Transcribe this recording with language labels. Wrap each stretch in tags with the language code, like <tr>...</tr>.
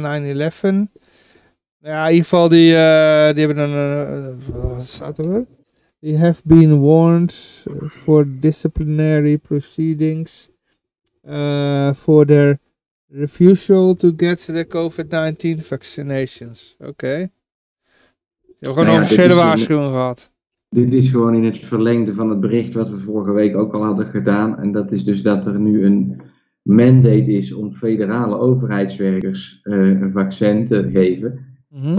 <nl>Ja, in ieder geval die hebben een. Wat staat er?</nl> <en>They have been warned for disciplinary proceedings for their refusal to get the COVID-19 vaccinations.</en> <nl>Oké. Okay. Je hebt gewoon een officiële waarschuwing gehad. Dit is gewoon in het verlengde van het bericht wat we vorige week ook al hadden gedaan. En dat is dus dat er nu een mandate is om federale overheidswerkers een vaccin te geven. Mm-hmm.</nl>